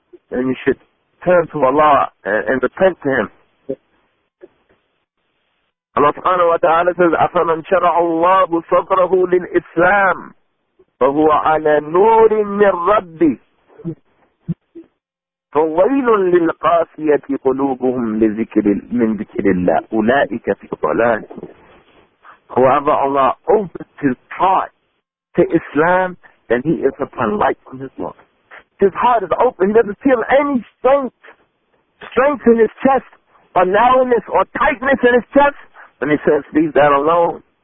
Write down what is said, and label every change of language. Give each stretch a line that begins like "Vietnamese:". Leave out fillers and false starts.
English: And you should turn to Allah and repent to Him. Allah subhanahu wa ta'ala says,
Arabic: أَفَمَنْ شَرَعُ اللَّهُ صَدْرَهُ لِلْإِسْلَامِ فَهُوَ عَلَى نُورٍ مِّنْ رَبِّهِ فَوَيْلٌ لِلْقَاسِيَةِ قُلُوبُهُمْ مِّنْ ذِكِرِ اللَّهِ أُولَٰئِكَ فِي ضَلَالٍ.
English: Whoever Allah opens his heart to Islam, then he is upon light from His Lord. His heart is open. He doesn't feel any strength strength in his chest, or narrowness or tightness in his chest, then he says, leave that alone.